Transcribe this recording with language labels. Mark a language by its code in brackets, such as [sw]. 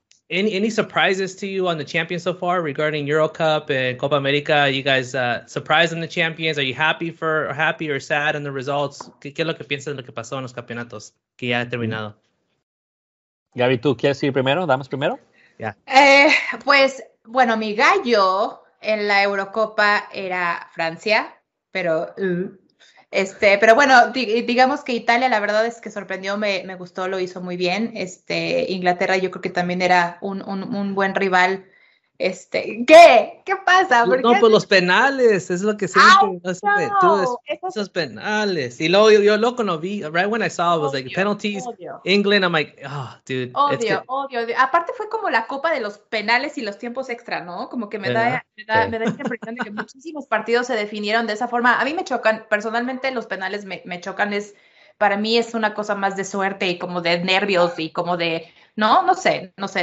[en] Any surprises to you on the champions so far regarding Euro Cup and Copa América? You guys surprised in the champions? Are you happy or sad in the results? [es] ¿Qué es lo que piensas de lo que pasó en los campeonatos que ya ha terminado? Gaby, ¿tú quieres ir primero? ¿Damos primero? [en] Yeah. [es] Pues, bueno, mi gallo en la Eurocopa era Francia, pero pero bueno, digamos que Italia, la verdad es que sorprendió, me gustó, lo hizo muy bien. Inglaterra yo creo que también era un buen rival. ¿Qué pasa? Pues los penales, es lo que siento. Esos penales. Y luego yo loco no vi, [en] right when I saw it was like penalties, [es] odio. [en] England, I'm like, oh, dude. [es] Odio. Aparte fue como la copa de los penales y los tiempos extra, ¿no? Como que me da esa impresión de que muchísimos partidos se definieron de esa forma. A mí me chocan, personalmente los penales me chocan, para mí es una cosa más de suerte y como de nervios y como de... No sé.